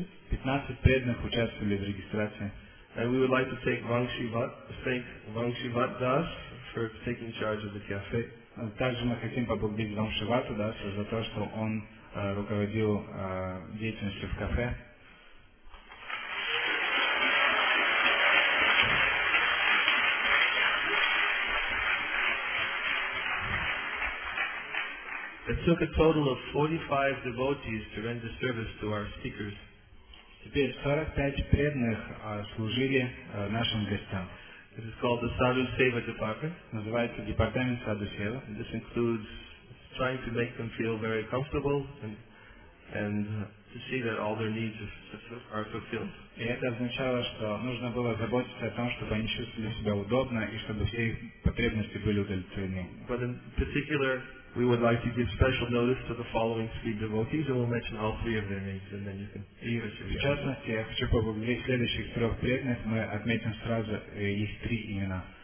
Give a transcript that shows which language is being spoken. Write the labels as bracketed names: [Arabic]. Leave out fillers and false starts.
[Russian] Пятнадцать преданных участвовали в регистрации. [English] And we would like to thank Wang Shivat Das for taking charge of the cafe. [Russian] Также мы хотим поблагодарить Wang Shivat Das за то, что он руководил деятельностью в кафе. [English] It took a total of 45 devotees to render service to our speakers. [Russian] Теперь 45 преданных служили нашим гостям. [English] It is called the Sadhu Seva Department. [Russian] Называется департамент Sadhu Seva. [English] This includes trying to make them feel very comfortable and to see that all their needs are fulfilled. [Russian] И это означало, что нужно было заботиться о том, чтобы они чувствовали себя удобно и чтобы все их потребности были удовлетворены. [English] But in particular, we would like to give special notice to the following three devotees, and we'll mention all three of their names, and then you can hear. [Russian] В частности, я хочу поблагодарить следующих трех преданных. Мы отметим сразу их три имена: